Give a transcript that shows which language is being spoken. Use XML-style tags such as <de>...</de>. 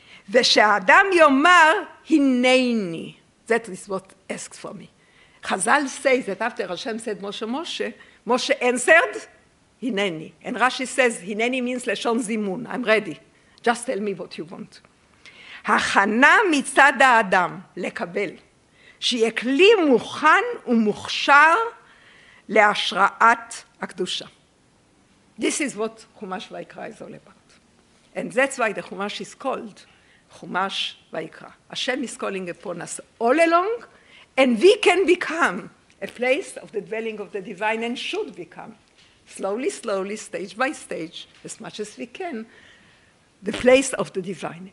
<he>ושאדם יאמר, הנני.</he> <en>That is what asks for me. Chazal says that after Hashem said, Moshe, Moshe, Moshe answered, הנני. And Rashi says, הנני means</en> <he>לשון זימון.</he> <en>I'm ready. Just tell me what you want.</en> <he>הכנה מצד האדם לקבל, שיהיה כלי מוכן ומוכשר להשראת הקדושה.</he> <en>This is what חומש ויקרא is all about. And that's why the חומש is called חומש ויקרא. Hashem is calling upon us all along, and we can become a place of the dwelling of the divine and should become, slowly, slowly, stage by stage, as much as we can, the place of the divine.</en>